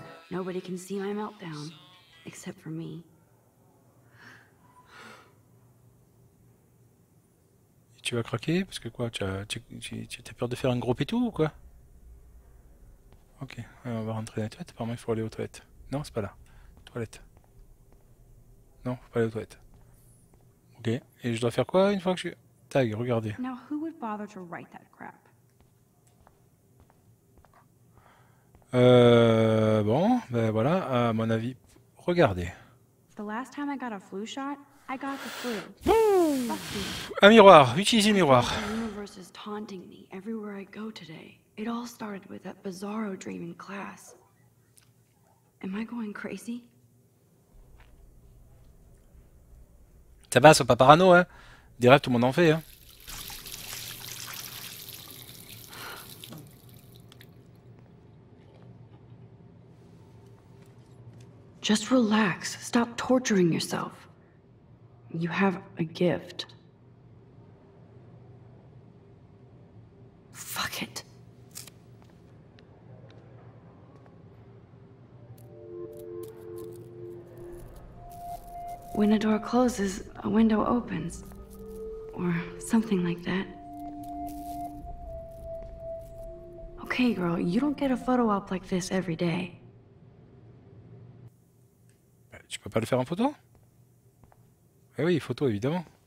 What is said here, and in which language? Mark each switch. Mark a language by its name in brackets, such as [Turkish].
[English] Nobody can see my meltdown, except for me. [French] Et tu vas craquer parce que quoi, tu as peur de faire un gros pétou ou quoi? Ok, on va rentrer dans les toilettes. Apparemment, il faut aller aux toilettes. Non, c'est pas là. Toilette. Non, faut pas aller aux toilettes. Ok, et je dois faire quoi une fois que je suis... Tag, regardez. [English] Now, who would bother to write that crap? [French] Bon, ben voilà, à mon avis, regardez. [English] The last time I got a flu shot, I got the flu. [French] Un miroir, utilisez le miroir. [English] The universe is taunting me everywhere I go today. It all started with that bizarro dream in class. Am I going crazy? [French] Ça va, c'est pas parano, hein. Des rêves, tout le monde en fait, hein. [English] Just relax. Stop torturing yourself. You have a gift. Fuck it. When a door closes, a window opens. Or something like that. Okay, girl, you don't get a photo op like this every day. [French] Tu peux pas le faire en photo? Eh oui, photo évidemment.